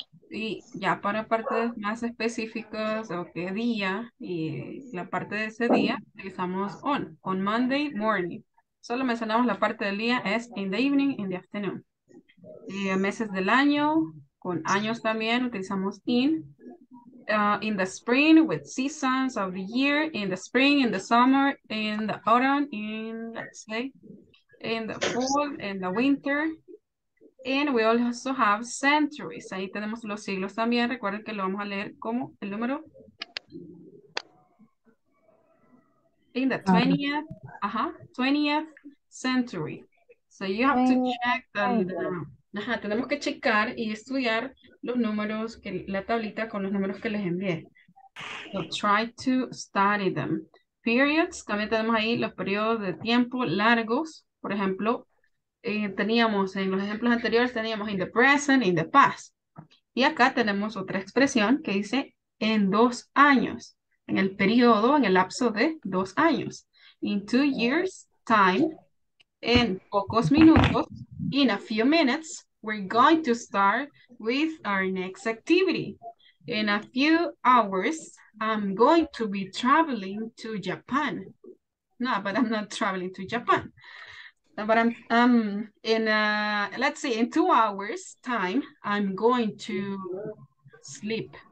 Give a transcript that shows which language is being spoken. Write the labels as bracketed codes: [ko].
[es] Y ya para partes más específicas, o qué día, y la parte de ese día, utilizamos [en] on Monday morning. [es] Solo mencionamos la parte del día, es [en] in the evening, in the afternoon. [es] Y meses del año, con años también, utilizamos in. [en] in the spring with seasons of the year, in the spring, in the summer, in the autumn, in, let's say, in the fall, in the winter. And we also have centuries. [es] Ahí tenemos los siglos también. Recuerden que lo vamos a leer como el número. [en] In the 20th, uh-huh, 20th century. So you have to check the [es] ajá, tenemos que checar y estudiar los números, que, la tablita con los números que les envié. [en] So try to study them. [es] Periods, también tenemos ahí los periodos de tiempo largos. Por ejemplo, teníamos en los ejemplos anteriores, teníamos [en] in the present, in the past. [es] Y acá tenemos otra expresión que dice en 2 años, en el periodo, en el lapso de 2 años. [en] In 2 years, time, [es] en pocos minutos, [en] in a few minutes, we're going to start with our next activity. In a few hours, I'm going to be traveling to Japan. No, but I'm not traveling to Japan. But I'm let's see, in 2 hours time, I'm going to sleep.